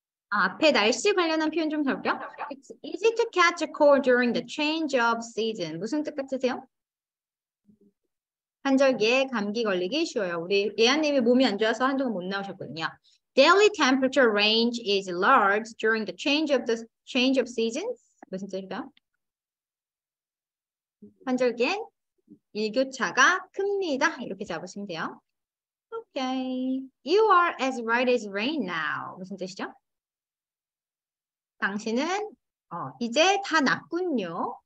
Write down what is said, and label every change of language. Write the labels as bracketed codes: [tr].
[ko] 앞에 날씨 관련한 표현 좀 살펴볼게요. [en] It's easy to catch a cold during the change of season. [ko] 무슨 뜻 같으세요? 환절기에 감기 걸리기 쉬워요. 우리 예아님이 몸이 안 좋아서 한동안 못 나오셨거든요. [en] Daily temperature range is large during the change of the change of seasons. [ko] 무슨 뜻일까요? 환절기에 일교차가 큽니다. 이렇게 잡으시면 돼요. [en] Okay. You are as right as rain now. [ko] 무슨 뜻이죠? 당신은 이제 다 낫군요.